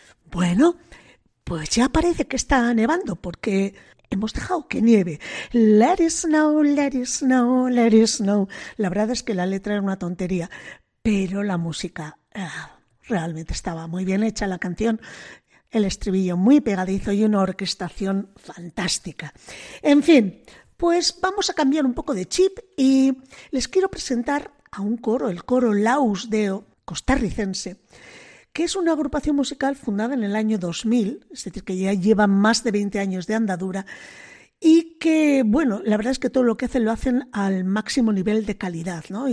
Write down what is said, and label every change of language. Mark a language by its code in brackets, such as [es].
[es] Bueno, pues ya parece que está nevando, porque hemos dejado que nieve. [en] Let it snow, let it snow, let it snow. [es] La verdad es que la letra era una tontería, pero la música realmente estaba muy bien hecha, la canción, el estribillo muy pegadizo y una orquestación fantástica. En fin, pues vamos a cambiar un poco de chip y les quiero presentar a un coro, el coro Lausdeo costarricense, que es una agrupación musical fundada en el año 2000, es decir, que ya lleva más de 20 años de andadura y que, bueno, la verdad es que todo lo que hacen lo hacen al máximo nivel de calidad, ¿no?